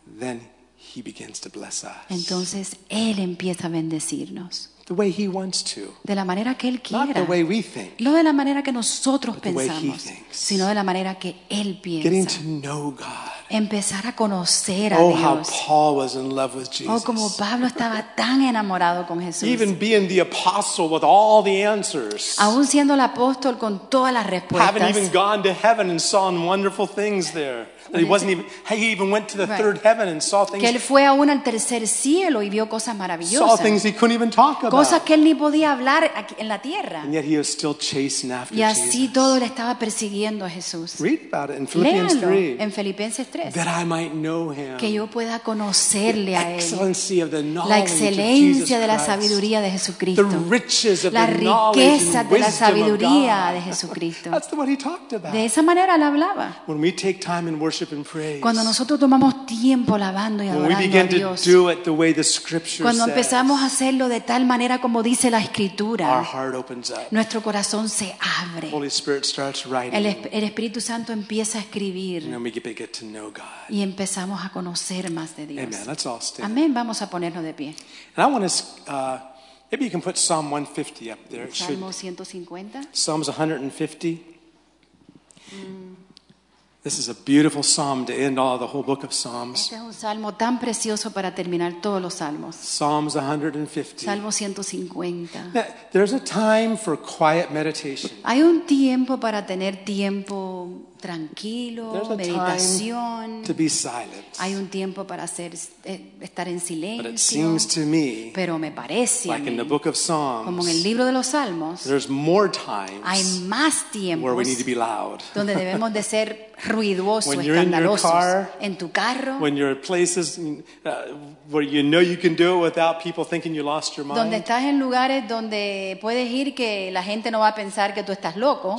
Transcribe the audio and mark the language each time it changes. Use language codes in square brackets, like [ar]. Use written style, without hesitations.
[en] then he begins to bless us. [es] Entonces él empieza a bendecirnos. [en] The way he wants to. [es] De la manera que él quiera. [en] Not the way we think. [es] No de la manera que nosotros pensamos. [en] The way he thinks. [es] Sino de la manera que él piensa. [en] Getting to know God. [es] Empezar a conocer a oh, Dios. [en] Oh, how Paul was in love with Jesus. [es] Oh, como Pablo estaba tan enamorado con Jesús. [en] Even being the apostle with all the answers. [es] Aún siendo el apóstol con todas las respuestas. [en] Having even gone to heaven and saw wonderful things there. That he wasn't even. He even went to the third heaven and saw things. [es] Que él fue aún al tercer cielo y vio cosas maravillosas. [en] Saw things he couldn't even talk about. [es] Cosas que él ni podía hablar en la tierra. [en] And yet he was still chasing after Jesus. [es] Y así todo le estaba persiguiendo a Jesús. [en] Read about it in Philippians 3. [es] Léalo en Filipenses 3. [en] That I might know him. [es] Que yo pueda conocerle a él. [en] The excellency of the knowledge of Jesus. [es] La excelencia de la sabiduría de Jesucristo. [en] The riches of [es] la riqueza de la sabiduría de Jesucristo. [en] That's what he talked about. [es] De esa manera él hablaba. [en] When we take time and worship. [es] Cuando nosotros tomamos tiempo alabando y adorando a Dios, cuando empezamos a hacerlo de tal manera como dice la Escritura, nuestro corazón se abre. El Espíritu Santo empieza a escribir y empezamos a conocer más de Dios. Amén. Vamos a ponernos de pie. [en] Maybe you can put Psalm 150 up there. [es] Salmo 150. [en] Psalms 150. This is a beautiful psalm to end all the whole book of Psalms. [es] Este es un salmo tan precioso para terminar todos los salmos. [en] Psalms 150. [es] Salmo 150. [en] There's a time for quiet meditation. [es] Hay un tiempo para tener tiempo tranquilo, meditación. [en] To be silent. [es] Hay un tiempo para estar en silencio. [en] But it seems to me, [es] pero me parece [en] like in the book of Psalms, [es] como en el libro de los Salmos, [en] there's more times, [es] hay más tiempos [en] where we need to be loud. [es] Donde debemos de ser ruidosos, [en] when you're [es] escandalosos, [en] in your car, [es] en tu carro, [en] when you're in places where you know you can do it without people thinking you lost your mind, [es] donde estás en lugares donde puedes ir que la gente no va a pensar que tú estás loco,